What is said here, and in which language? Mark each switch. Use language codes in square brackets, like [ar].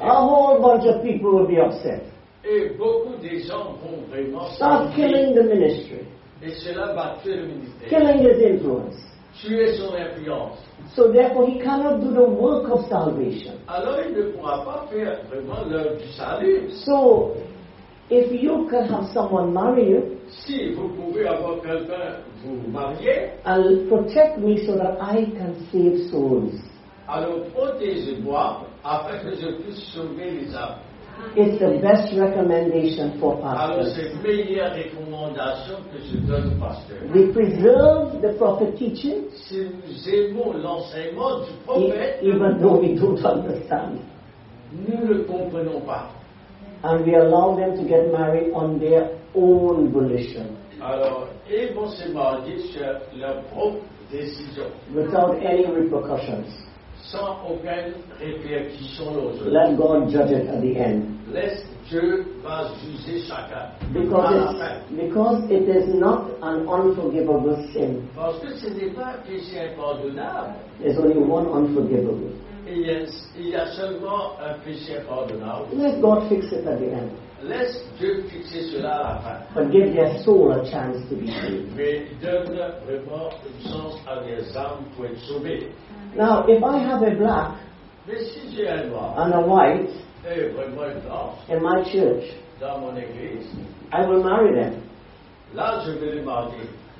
[en] a whole bunch of people will be upset. [fr] Et beaucoup de gens vont vraiment [en] start killing the ministry. [fr] Et cela va tuer le ministère. [en] Killing his influence. [fr] Tuer son influence. [en] So therefore, he cannot do the work of salvation. [fr] Alors, il ne pourra pas faire vraiment l'œuvre du salut. [en] So, if you can have someone marry you, [fr] si vous pouvez avoir quelqu'un vous marier, [en] and protect me so that I can save souls. [fr] Alors protégez-moi afin que je puisse sauver les âmes. [en] It's the best recommendation for pastors. [fr] Alors c'est la meilleure recommandation que je donne au pasteur. [en] We preserve the prophet teaching. [fr] Si nous aimons l'enseignement du prophète, [en] even though we don't understand, [fr] nous ne le comprenons pas. [en] And we allow them to get married on their own volition. [fr] Alors, ils vont se marier sur leur propre décision. [en] Without any repercussions. [fr] Sans aucune répercussion aux autres. [en] Let God judge it at the end. [fr] Laisse Dieu va juger chacun. [en] Because it is not an unforgivable sin. [fr] Parce que ce n'est pas un péché impardonnable. [en] There's only one unforgivable. [fr] Yes, il y a seulement un péché pardonnable. [en] Let God fix it at the end. [fr] Laisse Dieu fixer cela à la fin. [en] But give their soul a chance to be saved. [fr] Mais donne vraiment une chance à leurs âmes pour être sauvées. [en] Now, if I have a black, [fr] mais si j'ai un noir, [en] and a white, [fr] et vraiment une blanche, [en] in my church, [fr] dans mon église, [en] I will marry them. [fr] Là, je vais les marier.